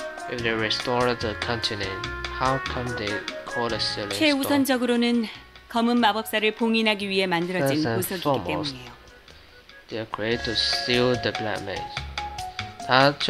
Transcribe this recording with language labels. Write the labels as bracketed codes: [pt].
[en] If they restore the continent, how come they call it Silly Stone? [ko] 최우선적으로는 검은 마법사를 봉인하기 위해 만들어진 보석이기 때문이에요. [en] They are created to seal the black mage.